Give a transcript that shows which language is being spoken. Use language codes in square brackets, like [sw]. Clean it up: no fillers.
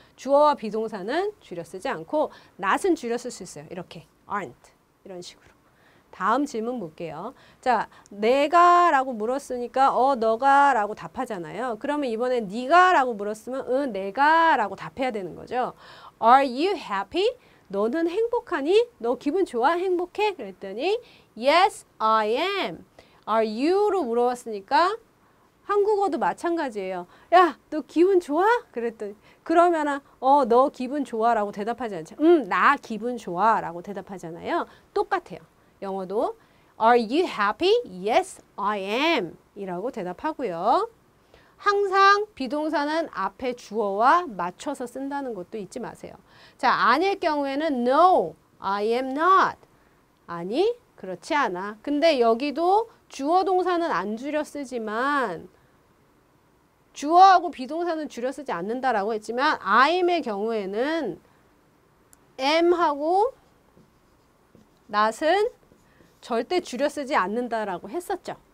[ko] 주어와 비동사는 줄여 쓰지 않고, not은 줄여 쓸수 있어요. 이렇게. aren't. 이런 식으로. 다음 질문 볼게요. 자, 내가 라고 물었으니까, 너가 라고 답하잖아요. 그러면 이번에 네가 라고 물었으면, 내가 라고 답해야 되는 거죠. [en] Are you happy? [ko] 너는 행복하니? 너 기분 좋아? 행복해? 그랬더니, [en] Yes, I am. [ko] Are you로 물어봤으니까, 한국어도 마찬가지예요. 야, 너 기분 좋아? 그랬더니 그러면은 너 기분 좋아라고 대답하지 않죠? 나 기분 좋아라고 대답하잖아요. 똑같아요. 영어도 [en] Are you happy? Yes, I am. [ko] 이라고 대답하고요. 항상 비동사는 앞에 주어와 맞춰서 쓴다는 것도 잊지 마세요. 자, 아닐 경우에는 [en] No, I am not. [ko] 아니, 그렇지 않아. 근데 여기도 주어 동사는 안 줄여 쓰지만 주어하고 비동사는 줄여 쓰지 않는다라고 했지만 I'm의 경우에는 am하고 not은 절대 줄여 쓰지 않는다라고 했었죠.